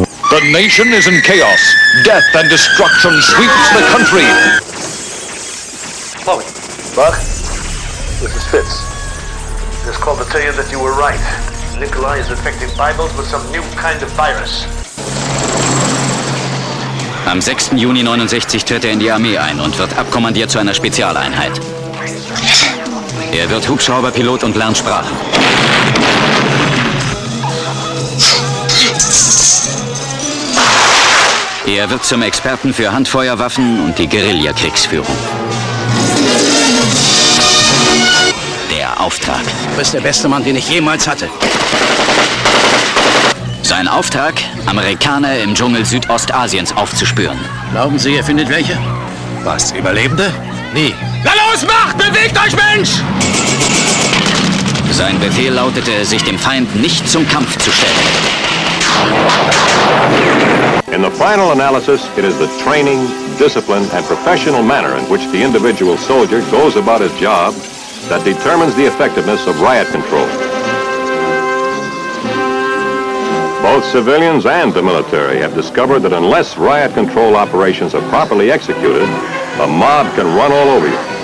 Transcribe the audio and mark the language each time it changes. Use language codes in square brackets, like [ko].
[en] The nation is in chaos. Death and destruction sweeps the country. Chloe. Buck. This is Fitz. Just called to tell you that you were right. Nikolai is infecting Bibles with some new kind of virus. [de] Am 6. Juni 69 tritt in die Armee ein und wird abkommandiert zu einer Spezialeinheit. Er wird Hubschrauberpilot und lernt Sprachen. Er wird zum Experten für Handfeuerwaffen und die Guerillakriegsführung. Der Auftrag. Du bist der beste Mann, den ich jemals hatte. Sein Auftrag, Amerikaner im Dschungel Südostasiens aufzuspüren. Glauben Sie, er findet welche? Was, Überlebende? Nie. Na los, macht! Bewegt euch, Mensch! Sein Befehl lautete, sich dem Feind nicht zum Kampf zu stellen. [en] In the final analysis, it is the training, discipline and professional manner in which the individual soldier goes about his job that determines the effectiveness of riot control. Both civilians and the military have discovered that unless riot control operations are properly executed, a mob can run all over you.